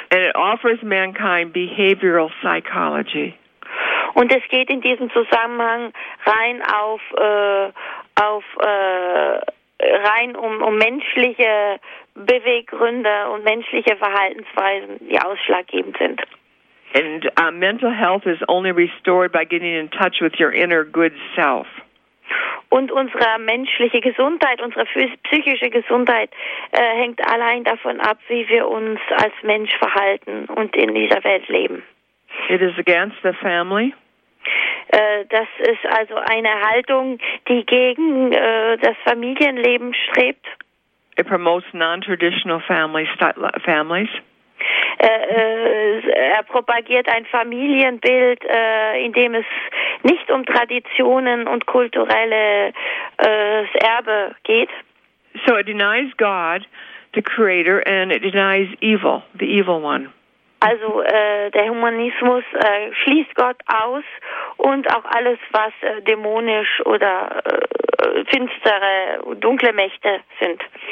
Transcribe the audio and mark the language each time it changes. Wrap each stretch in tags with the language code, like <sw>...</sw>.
<en>And it offers mankind behavioral psychology.</en> <de>Und es geht in diesem Zusammenhang rein um menschliche Beweggründe und menschliche Verhaltensweisen, die ausschlaggebend sind.</de> <en>And mental health is only restored by getting in touch with your inner good self.</en> <de>Und unsere menschliche Gesundheit, unsere psychische Gesundheit hängt allein davon ab, wie wir uns als Mensch verhalten und in dieser Welt leben.</de> <en>It is against the family.</en> <de>Das ist also eine Haltung, die gegen das Familienleben strebt.</de> <en>It promotes non-traditional families.</en> <de>Er propagiert ein Familienbild, in dem es nicht um Traditionen und kulturelles Erbe geht.</de> <en>So it denies God, the creator, and it denies evil, the evil one.</en> <de>Also der Humanismus schließt Gott aus und auch alles, was dämonisch oder finstere, dunkle Mächte sind.</de>